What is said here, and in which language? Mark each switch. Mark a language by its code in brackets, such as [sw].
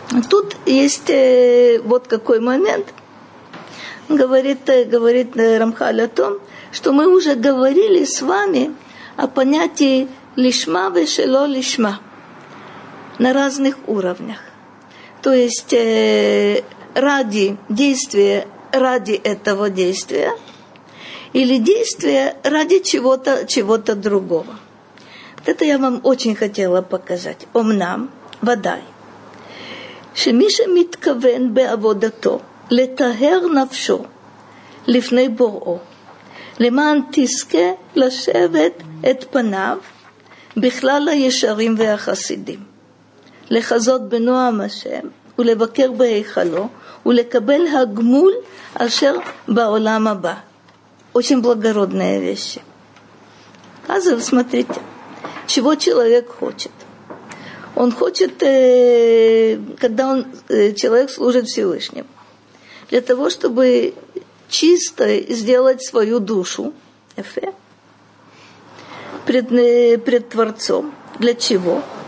[ru] Тут есть вот какой момент, говорит Рамхаль о том, что мы уже говорили с вами о понятии лишма вешело лишма на разных уровнях. То есть ради действия, ради этого действия, или действия ради чего-то другого. Вот это я вам очень хотела показать. [he] Омнам, вадай. שמיש מתכוון בעבודתו לתהר נפשו לפני בוראו למען תזכה לשבת את פניו בכלל הישרים והחסידים לחזות בנועם השם ולבקר בהיכלו ולקבל הגמול אשר בעולם הבא. [ru] Очень благородные вещи. А за смотрите, чего человек хочет? Он хочет, когда он, человек служит Всевышнему, для того, чтобы чисто сделать свою душу пред Творцом. Для чего?